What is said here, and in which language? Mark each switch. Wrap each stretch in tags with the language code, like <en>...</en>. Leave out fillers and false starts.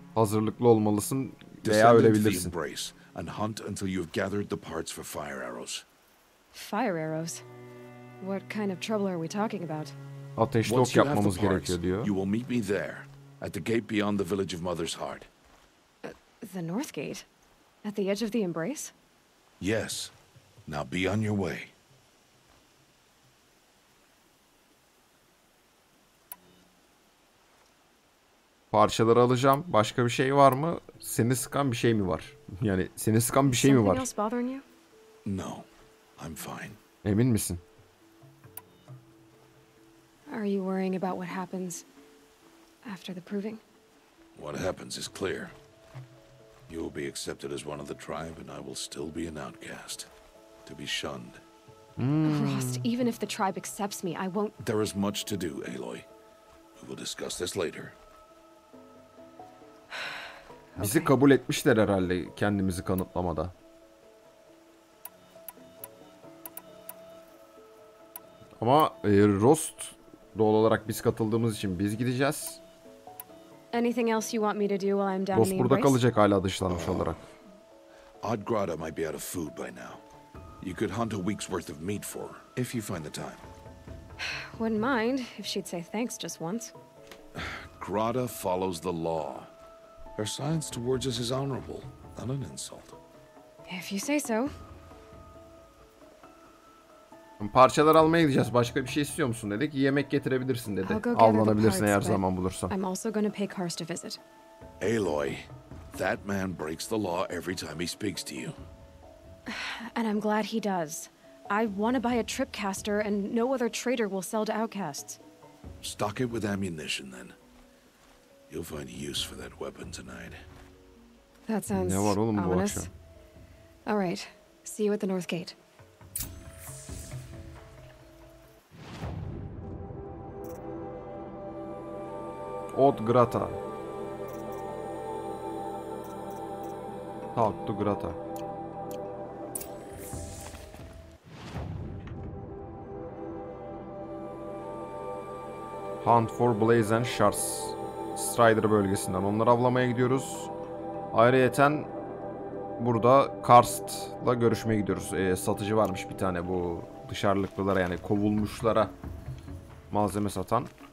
<tr>Hazırlıklı olmalısın veya ölebilirsin.</tr> <en>And hunt until you've gathered the parts for fire arrows. Fire arrows. What kind of trouble are we talking about?</en> <tr>Ateşli ok yapmamız gerekiyor diyor.</tr> <en>You will meet me there at the gate beyond the village of Mother's Heart. The north gate at the edge of the embrace? Yes. Now be on your way.</en> <tr>Parçaları alacağım. Başka bir şey var mı? Seni sıkan bir şey mi var? Yani seni sıkan bir şey mi var?</tr> <en>No, I'm fine.</en> <tr>Emin misin?</tr> <en>Are you worrying about what happens after the proving? What happens is clear. You will be accepted as one of the tribe, and I will still be an outcast, to be shunned. Frost, even if the tribe accepts me, I won't. There is much to do, Aloy. We will discuss this later.</en> <tr>Bizi kabul etmişler herhalde kendimizi kanıtlamada. Ama Rost doğal olarak biz katıldığımız için biz gideceğiz.</tr> <en>Anything else you want me to do while I'm down?</en> <tr>Rost burada kalacak hala dışlanmış olarak.</tr> <en>Odgrada might be out of food by now. You could hunt a week's worth of meat for her, if you find the time. Wouldn't mind if she'd say thanks just once. Grada follows the law. Her science towards us is honorable, not an insult. If you say so.</en> <tr>Parçalar almaya gideceğiz. Başka bir şey istiyor musun dedik. Yemek getirebilirsin dedi. Avlanabilirsin eğer zaman bulursan.</tr> <en>I'm also going to pay Karst a visit. Aloy, that man breaks the law every time he speaks to you. And I'm glad he does. I want to buy a tripcaster and no other trader will sell to outcasts. Stock it with ammunition then. You'll find use for that weapon tonight. That sounds</en> <tr>ne var oğlum</tr> <en>ominous. Bu All right. See you at the north gate. Od Grata. Tahtu Grata. Hunt for Blaze and Shards.</en> <tr>Strider bölgesinden onları avlamaya gidiyoruz. Ayrıyeten burada Karst'la görüşmeye gidiyoruz. Satıcı varmış bir tane bu dışarılıklılara, yani kovulmuşlara malzeme satan.</tr>